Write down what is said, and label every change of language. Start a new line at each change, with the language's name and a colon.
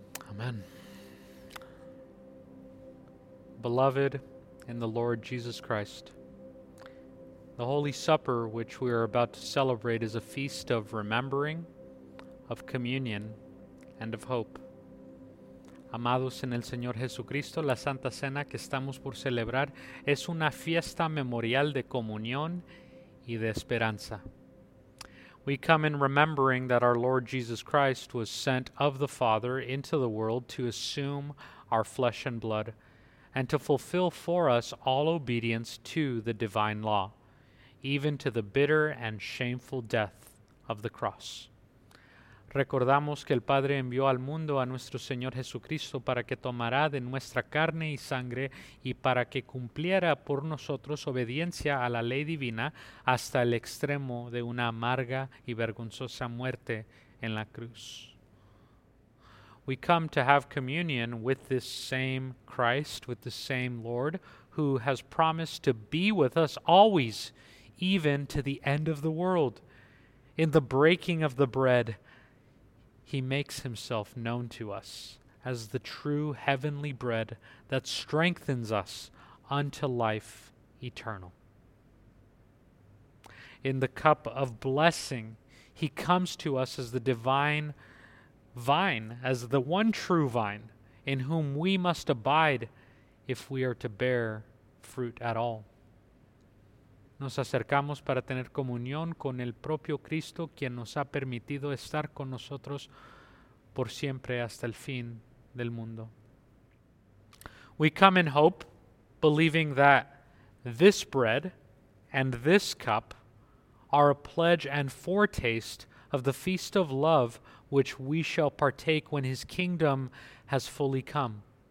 English: Amen. Beloved in the Lord Jesus Christ, the Holy Supper which we are about to celebrate is a feast of remembering, of communion, and of hope.
Spanish: Amados en el Señor Jesucristo, la Santa Cena que estamos por celebrar es una fiesta memorial de comunión y de esperanza.
English: We come in remembering that our Lord Jesus Christ was sent of the Father into the world to assume our flesh and blood and to fulfill for us all obedience to the divine law, even to the bitter and shameful death of the cross.
Spanish: Recordamos que el Padre envió al mundo a nuestro Señor Jesucristo para que tomara de nuestra carne y sangre y para que cumpliera por nosotros obediencia a la ley divina hasta el extremo de una amarga y vergonzosa muerte en la cruz.
English: We come to have communion with this same Christ, with the same Lord, who has promised to be with us always, even to the end of the world. In the breaking of the bread, He makes himself known to us as the true heavenly bread that strengthens us unto life eternal. In the cup of blessing, he comes to us as the divine vine, as the one true vine in whom we must abide if we are to bear fruit at all.
Spanish: Nos acercamos para tener comunión con el propio Cristo, quien nos ha permitido estar con nosotros por siempre hasta el fin del mundo.
English: We come in hope, believing that this bread and this cup are a pledge and foretaste of the feast of love which we shall partake when his kingdom has fully come.